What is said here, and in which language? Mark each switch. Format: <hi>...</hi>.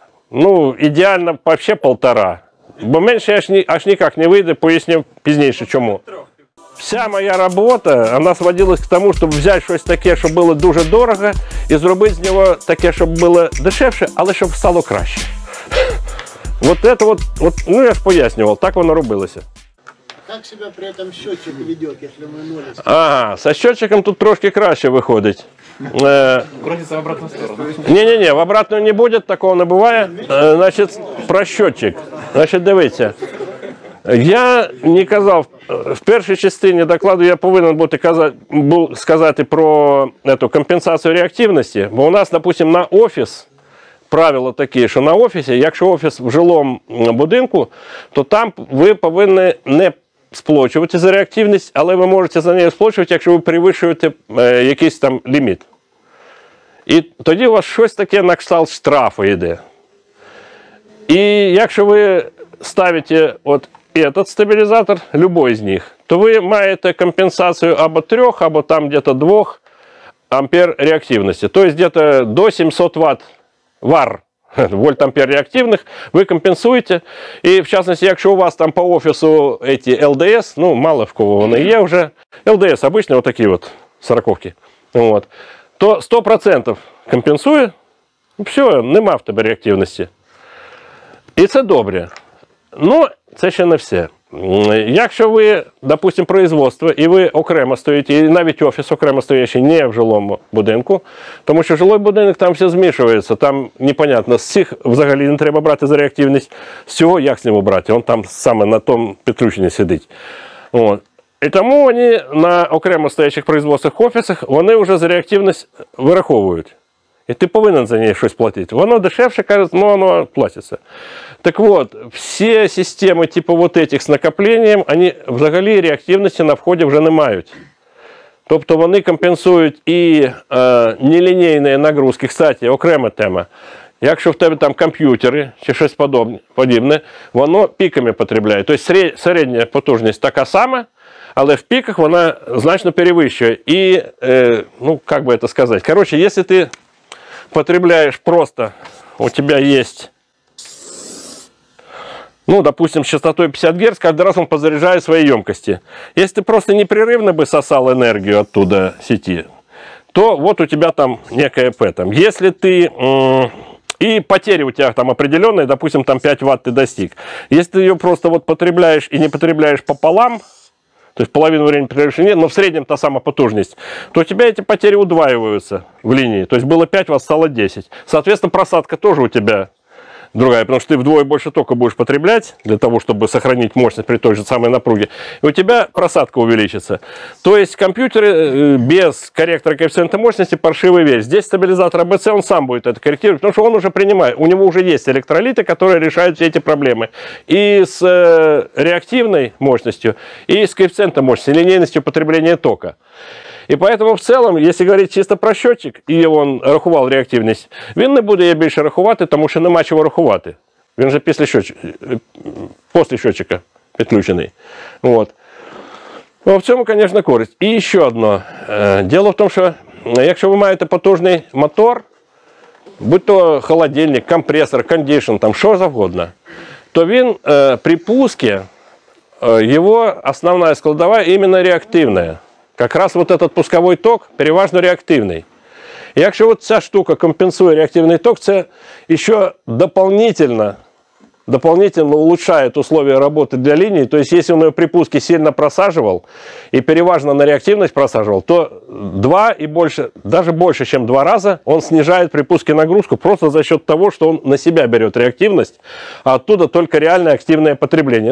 <uk>Ну, ідеально, взагалі полтора. Бо менше аж ніяк не вийде, поясню пізніше чому. Вся моя робота, вона</uk> <ru>сводилась к тому,</ru> <uk>щоб взяти щось таке, що було дуже дорого, і зробити з нього таке, щоб було дешевше, але щоб стало краще.</uk> <ru>Вот это вот,</ru> <uk>вот, ну я ж пояснював, так воно робилося. Як себе при этом счетчик веде, якщо ми нулись? Ага,</uk> <ru>со счетчиком</ru> <uk>тут трошки краще виходить.</uk> <ru>Крутится в обратную сторону. Не-не-не, в обратную не будет, такого не бывает. Значит, про счетчик. Значит, дивіться.</ru> <uk>Я не казав, в першій частині докладу я повинен бути сказати про эту компенсацію реактивності, бо у нас, допустим, на офіс правила такі, що на офісі, якщо офіс в жилому будинку, то там ви повинні не сплочувати за реактивність, але ви можете за нею сплочувати, якщо ви перевищуєте якийсь там ліміт. І тоді у вас щось таке на кшталт штрафу йде. І якщо ви ставите</uk> <ru>от этот</ru> <uk>стабілізатор, любой з них, то ви маєте компенсацію або 3, або там где-то 2 ампер реактивності. Тобто где-то до 700 ватт вар.</uk> <ru>Вольт-ампер реактивных, вы компенсуете. И в частности, если у вас там по офису эти ЛДС, ну, мало в кого они есть уже, ЛДС обычные вот такие вот, сороковки, вот, то 100% компенсую, все,</ru> <uk>нема в тебе реактивности.</uk> <ru>И это добре. Но это еще не все. Если вы, допустим, производство, и вы окремо стоите, и даже офис окремо стоящий не в жилом будинку, потому что жилой будинок там все смешивается, там непонятно,</ru> <uk>с цих взагалі не треба брати</uk> <ru>за реактивность, с цього як с него брати, он там саме на том підключенні сидить. Вот. И тому они на окремо стоящих производствах офисах, они уже за реактивность вираховывают.</ru> <uk>І ти повинен за неї щось платити. Воно дешевше, кажуть, але воно платиться. Так от, всі системи, типу от цих з накопленням, вони взагалі реактивності на вході вже не мають. Тобто вони компенсують і нелінійні нагрузки. Кстати, окрема тема. Якщо в тебе там комп'ютери чи щось подібне, воно піками потребляє. Тобто середня потужність така сама, але в піках вона значно перевищує. І, ну, як би це сказати?</uk> <ru>Коротше, якщо ти потребляешь просто, у тебя есть, ну, допустим, с частотой 50 Гц, каждый раз он подзаряжает свои емкости. Если ты просто непрерывно бы сосал энергию оттуда сети, то вот у тебя там некое П. Если ты, и потери у тебя там определенные, допустим, там 5 Вт ты достиг. Если ты ее просто вот потребляешь и не потребляешь пополам, то есть половину времени прерывшей нет, но в среднем та самая потужность, то у тебя эти потери удваиваются в линии. То есть было 5, у вас стало 10. Соответственно, просадка тоже у тебя другая, потому что ты вдвое больше тока будешь потреблять для того, чтобы сохранить мощность при той же самой напруге. И у тебя просадка увеличится. То есть компьютеры без корректора коэффициента мощности паршивая вещь. Здесь стабилизатор АБЦ, он сам будет это корректировать, потому что он уже принимает. У него уже есть электролиты, которые решают все эти проблемы. И с реактивной мощностью, и с коэффициентом мощности, линейностью потребления тока. И поэтому в целом, если говорить чисто про счетчик, и он рахувал реактивность,</ru> <uk>він не буде більше рахувати, тому що нема чого рахувати. Він же після счетчика, после счетчика підключений. Вот. Но в цьому, конечно, користь. І ще одне. Дело в тому, що якщо ви маєте потужний мотор, будь то холодильник, компресор, кондишн, там що завгодно, то він при пуску, його основна складова іменно реактивна.</uk> <ru>Как раз вот этот пусковой ток, переважно реактивный. И если вот вся штука компенсирует реактивный ток, это еще дополнительно улучшает условия работы для линии. То есть, если он ее при пуске сильно просаживал и переважно на реактивность просаживал, то два и больше, даже больше, чем два раза, он снижает при пуске нагрузку просто за счет того, что он на себя берет реактивность, а оттуда только реальное активное потребление.</ru>